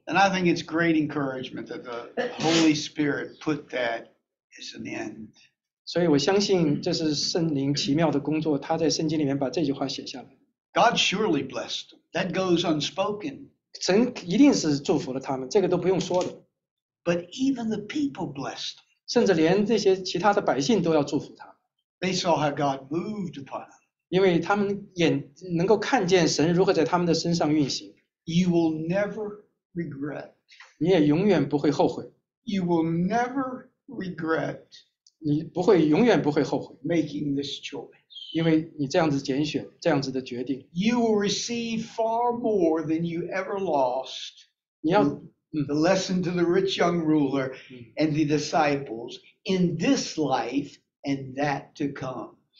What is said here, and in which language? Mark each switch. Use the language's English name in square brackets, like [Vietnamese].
[English] And I think it's great encouragement that the Holy Spirit put that as an end. [Chinese] 所以我相信这是圣灵奇妙的工作, 他在圣经里面把这句话写下来。 [English] God surely blessed them. That goes unspoken. [Chinese] 神一定是祝福了他们, 这个都不用说的。 [English] But even the people blessed them. [Chinese] 甚至连这些其他的百姓都要祝福他们。 [English] They saw how God moved upon them. [Chinese] 因为他们也能够看见神如何在他们的身上运行。 [English] You will never regret. [Chinese] 你也永远不会后悔。 [English] You will never regret. [Chinese] 你不会永远不会后悔。 [English] Making this choice. [Chinese] 因为你这样子拣选，这样子的决定。 [English] You will receive far more than you ever lost. [Chinese] 你要, [English] the lesson to the rich young ruler and the disciples in this life and that to come.